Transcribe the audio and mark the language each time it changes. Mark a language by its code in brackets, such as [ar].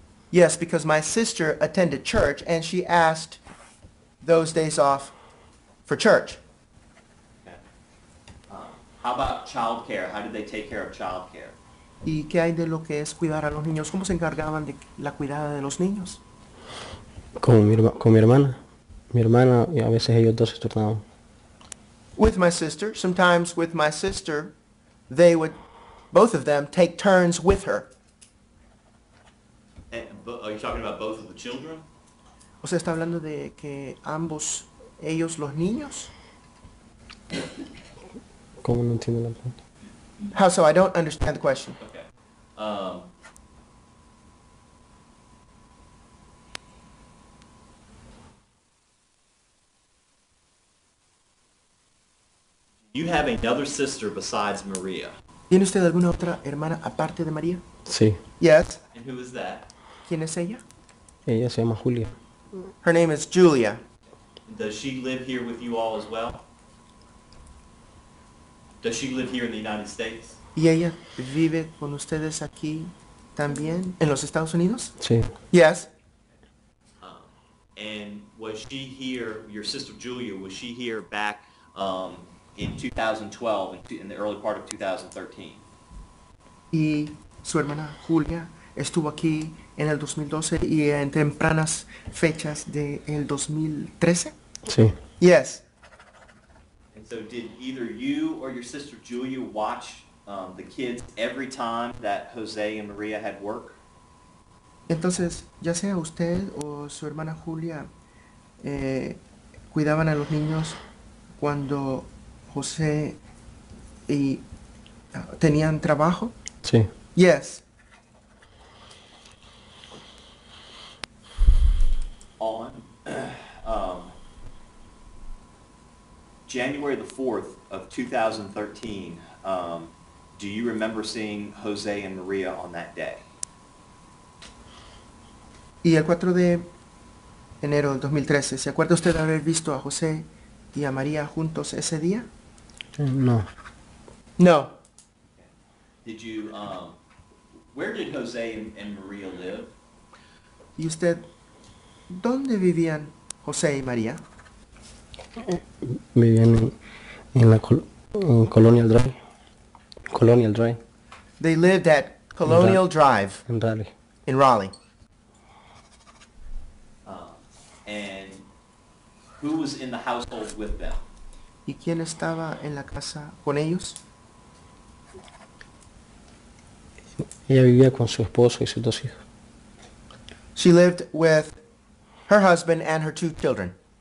[en] Yes, because my sister attended church and she asked those days off for church. How about child care? How did they take care of child care? [es] ¿Y qué hay de lo que es cuidar a los niños? ¿Cómo se encargaban de la cuidada de los niños? Con mi hermana. Mi hermana y a veces ellos dos se turnaban. [en] With my sister, sometimes with my sister, they would, both of them, take turns with her. Are you talking about both of the children? [es] O sea, está hablando de que ambos, ellos, los niños? ¿Cómo no entiendo la pregunta? [en] How so? I don't understand the question. Okay. You have another sister besides Maria. [es] ¿Tiene usted alguna otra hermana aparte de María? Sí. [en] Yes. And who is that? [es] ¿Quién es ella? Ella se llama Julia. [en] Her name is Julia. Does she live here with you all as well? Does she live here in the United States? [es] ¿Y ella vive con ustedes aquí también en los Estados Unidos? Sí. [en] Yes. And was she here, your sister Julia, was she here back in 2012, in the early part of 2013? [es] ¿Y su hermana Julia estuvo aquí en el 2012 y en tempranas fechas de el 2013? Sí. [en] Yes. And so did either you or your sister Julia watch the kids every time that Jose and Maria had work? [es] Entonces, ya sea usted o su hermana Julia cuidaban a los niños cuando José y tenían trabajo? Sí. [en] Yes. On January the 4th of 2013, do you remember seeing Jose and Maria on that day? [es] Y el 4 de enero del 2013, ¿se acuerda usted de haber visto a José y a María juntos ese día? No. [en] No. Did you, where did Jose and Maria live? [es] ¿Y usted, dónde vivían José y María? Vivían en la Colonial Drive. Colonial Drive. [en] They lived at Colonial Drive. In Raleigh. In Raleigh. And who was in the household with them? [es] ¿Y quién estaba en la casa con ellos? Ella vivía con su esposo y sus dos hijos. [en] She lived with her husband and her two children.